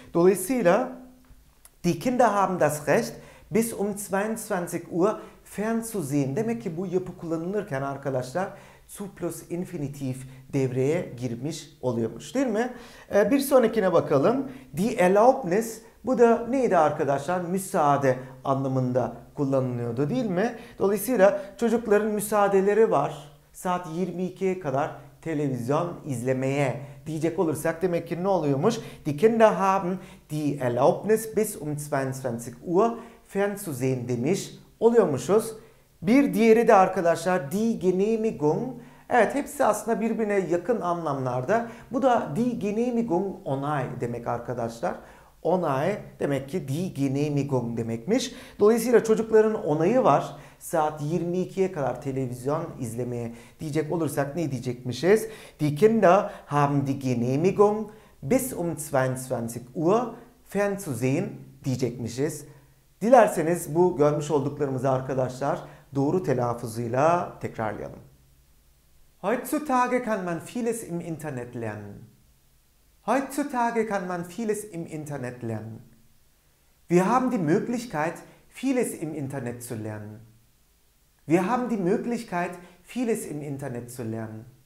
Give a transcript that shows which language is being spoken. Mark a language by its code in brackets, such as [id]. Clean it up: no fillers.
[tr] Dolayısıyla [de] die Kinder haben das Recht bis 22 Uhr fernzusehen. [tr] Demek ki bu yapı kullanılırken arkadaşlar zu plus infinitif devreye girmiş oluyormuş değil mi? Bir sonrakine bakalım. Die Erlaubnis, bu da neydi arkadaşlar? Müsaade anlamında kullanılıyordu değil mi? Dolayısıyla çocukların müsaadeleri var. Saat 22'ye kadar televizyon izlemeye diyecek olursak demek ki ne oluyormuş? [de] Die Kinder haben die Erlaubnis bis 22 Uhr fernzusehen [tr] demiş oluyormuşuz. Bir diğeri de arkadaşlar die Genehmigung. Evet, hepsi aslında birbirine yakın anlamlarda. Bu da die Genehmigung, onay demek arkadaşlar. Onay demek ki die Genehmigung demekmiş. Dolayısıyla çocukların onayı var. Saat 22'ye kadar televizyon izlemeye diyecek olursak ne diyecekmişiz? [de] Die Kinder haben die Genehmigung bis 22 Uhr fernzusehen [tr] diyecekmişiz. Dilerseniz bu görmüş olduklarımızı arkadaşlar doğru telaffuzuyla tekrarlayalım. [de] Heutzutage kann man vieles im Internet lernen. Heutzutage kann man vieles im Internet lernen. Wir haben die Möglichkeit, vieles im Internet zu lernen. Wir haben die Möglichkeit, vieles im Internet zu lernen.